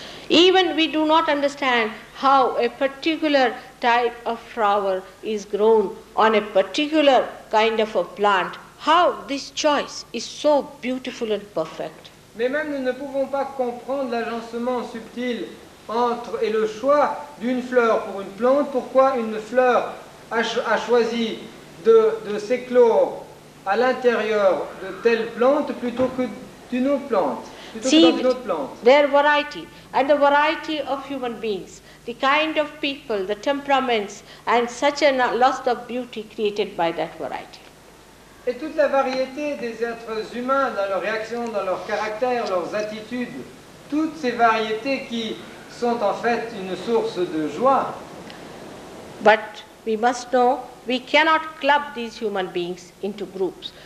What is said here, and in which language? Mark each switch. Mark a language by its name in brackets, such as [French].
[English] Even we do not understand how a particular type of flower is grown on a particular kind of a plant, how this choice is so beautiful and perfect. [French] Mais même nous ne pouvons pas comprendre l'agencement subtil entre et le choix d'une fleur pour une plante, pourquoi une fleur a choisi de s'éclore à l'intérieur de telle plante plutôt que d'une autre plante. [English] Their variety and the variety of human beings, the kind of people, the temperaments, and such a lust of beauty created by that variety. [French] Et toute la variété des êtres humains dans leurs réactions, dans leur caractère, leurs attitudes, toutes ces variétés qui sont en fait une source de joie. [English] But we must know we cannot club these human beings into groups.